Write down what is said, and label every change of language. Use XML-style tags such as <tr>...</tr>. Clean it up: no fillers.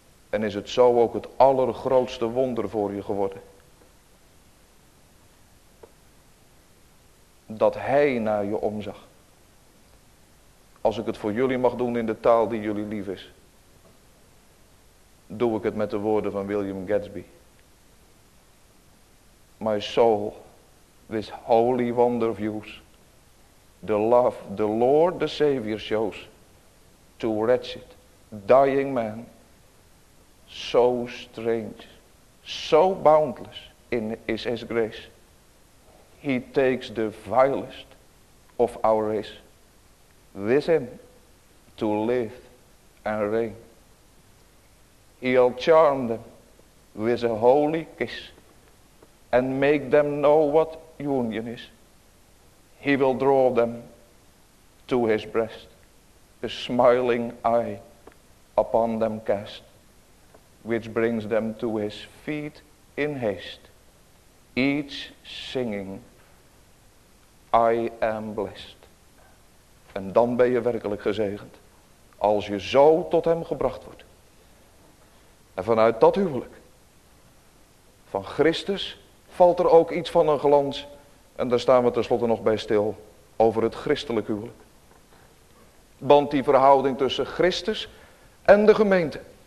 <nl>En is het zo ook het allergrootste wonder voor je geworden? Dat hij naar je omzag. Als ik het voor jullie mag doen in de taal die jullie lief is. Doe ik het met de woorden van William Gatsby.</nl> <en>My soul, this holy wonder views. The love the Lord the Savior shows. To wretched, dying man. So strange, so boundless in his grace. He takes the vilest of our race. With him to live and reign. He'll charm them with a holy kiss. And make them know what union is. He will draw them to his breast. A smiling eye upon them cast. Which brings them to his feet in haste. Each singing, I am blessed.</en> <nl>En dan ben je werkelijk gezegend. Als je zo tot hem gebracht wordt. En vanuit dat huwelijk. Van Christus. Valt er ook iets van een glans. En daar staan we tenslotte nog bij stil. Over het christelijk huwelijk. Want die verhouding tussen Christus. En de gemeente.</nl>